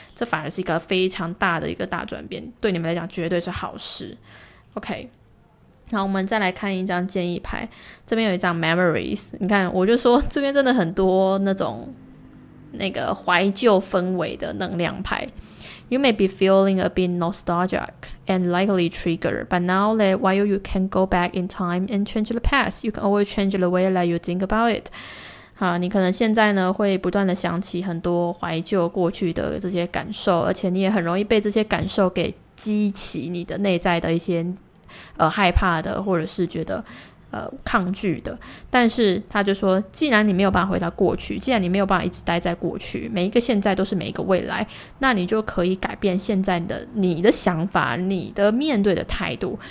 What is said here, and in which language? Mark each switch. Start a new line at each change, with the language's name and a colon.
Chinese: 这反而是一个非常大的一个大转变，对你们来讲绝对是好事。 OK，那我们再来看一张建议牌，这边有一张 Memories。你看我就说这边真的很多那种那个怀旧氛围的能量牌。
English: You may be feeling a bit nostalgic and likely triggered, but now that while you can go back in time and change the past, you can always change the way that you think about it.
Chinese: 好，你可能现在呢会不断的想起很多怀旧过去的这些感受，而且你也很容易被这些感受给激起你的内在的一些害怕的，或者是觉得抗拒的。但是他就说，既然你没有办法回到过去，既然你没有办法一直待在过去，每一个现在都是每一个未来，那你就可以改变现在的你的想法，你的面对的态度。